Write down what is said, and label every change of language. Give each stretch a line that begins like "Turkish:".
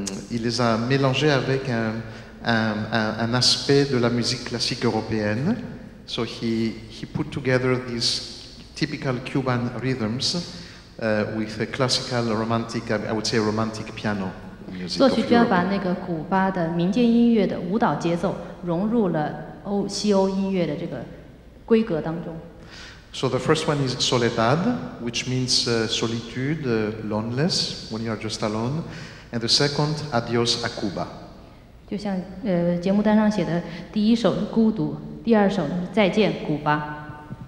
French: Il les a mélangés avec un aspect de la musique classique européenne.
English: So he put together these typical Cuban rhythms with a classical romantic, I would say, romantic piano music.
Chinese: 作曲家把那个古巴的民间音乐的舞蹈节奏融入了西欧音乐的这个规格当中。
English: So the first one is Soledad, which means solitude, loneliness, when you are just alone. And the second, Adios a Cuba.
Chinese: 就像节目单上写的，第一首是孤独，第二首是再见古巴。